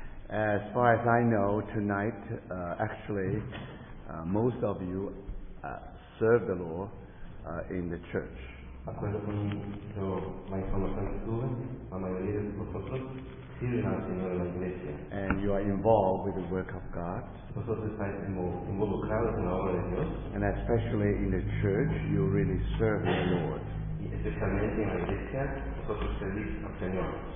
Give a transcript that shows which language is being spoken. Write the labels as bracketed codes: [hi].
[en] As far as I know, tonight, most of you serve the Lord in the church. [es] Acuerdo con lo más importante que tuve, la mayoría de vosotros sirven al Señor en la iglesia. [en] And you are involved with the work of God. [es] Vosotros estáis involucrados en la obra de Dios. [en] And especially in the church, you really serve the Lord. [es] Y especialmente en la iglesia, vosotros servís al Señor.